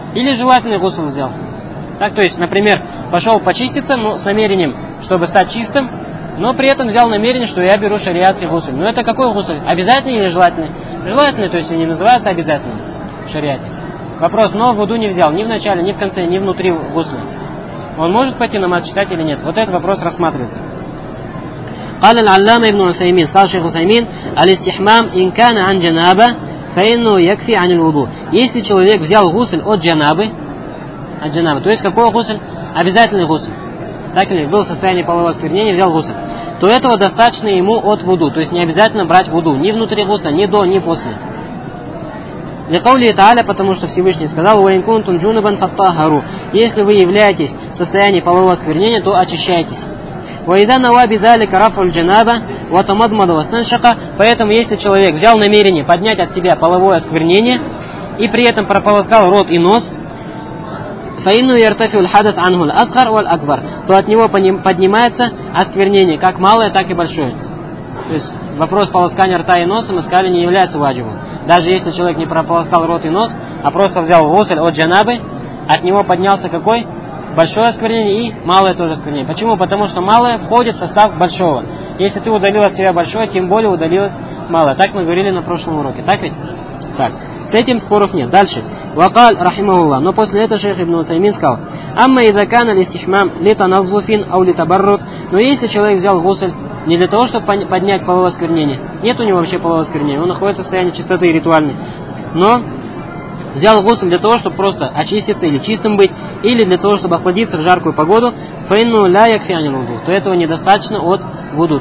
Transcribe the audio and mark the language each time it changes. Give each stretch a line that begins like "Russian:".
Russian: Или желательный гусль взял. Так, то есть, например, пошел почиститься, ну, с намерением, чтобы стать чистым, но при этом взял намерение, что я беру шариатский гусль. Но это какой гусль? Обязательный или желательный? Желательный, то есть они называются обязательным в шариате. Вопрос, но вуду не взял ни в начале, ни в конце, ни внутри гусля. Он может пойти намаз читать или нет? Вот этот вопрос рассматривается.
Arabic: قال العلامة ابن عثيمين قال شيخ عثيمين الاستحمام إن كان عن جنابة فإنه يكفي عن الوضوء.
Russian: Если человек взял гусль от джанабы, от джанабы, то есть какой гусль? Обязательный гусль. Так или был в состоянии полового осквернения, взял гусль. То этого достаточно ему от вуду. То есть не обязательно брать вуду. Ни внутри гусля, ни до, ни после.
Arabic: لقوله تعالى,
Russian: потому что Всевышний сказал,
Arabic: وإن كنتم جنبا فطهروا.
Russian: Если вы являетесь в состоянии полового осквернения, то очищайтесь.
Arabic: وإذا نوى بذلك رفع الجنابة وتمضمض واستنشق,
Russian: поэтому если человек взял намерение поднять от себя половое осквернение и при этом прополоскал рот и нос,
Arabic: فإنه يرتفع الحدث عنه الأصغر والأكبر,
Russian: то от него поднимается осквернение как малое, так и большое. То есть вопрос полоскания рта и носа, мы сказали, не является ваджибом. Даже если человек не прополоскал рот и нос, а просто взял гусль от джанабы, от него поднялся какой? Большое осквернение и малое тоже осквернение. Почему? Потому что малое входит в состав большого. Если ты удалил от себя большое, тем более удалилось малое. Так мы говорили на прошлом уроке. Так ведь? Так. С этим споров нет. Дальше.
Arabic: وقال رحمه الله.
Russian: Но после этого шейх ибн Усаймин сказал.
Arabic: أما إذا كان الاستحمام لتنظف أو لتبرد.
Russian: Но если человек взял гусль не для того, чтобы поднять половое осквернение. Нет у него вообще полового осквернения. Он находится в состоянии чистоты и ритуальной. Но взял гусль для того, чтобы просто очиститься или чистым быть, или для того, чтобы охладиться в жаркую погоду,
Arabic: фейну ля як фианин вуду,
Russian: то этого недостаточно от вуду.